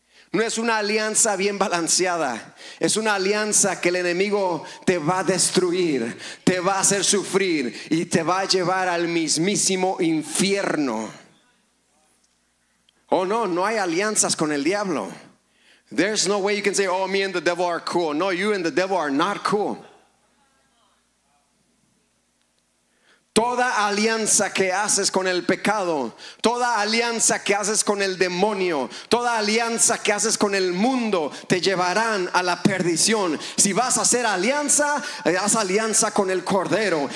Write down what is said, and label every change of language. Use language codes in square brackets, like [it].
[es] No es una alianza bien balanceada. Es una alianza que el enemigo te va a destruir, te va a hacer sufrir y te va a llevar al mismísimo infierno. No hay alianzas con el diablo. [en] There's no way you can say, oh, me and the devil are cool. No, you and the devil are not cool. [es] Toda alianza que haces con el pecado, toda alianza que haces con el demonio, toda alianza que haces con el mundo, te llevarán a la perdición. Si vas a hacer alianza, haz alianza con el Cordero.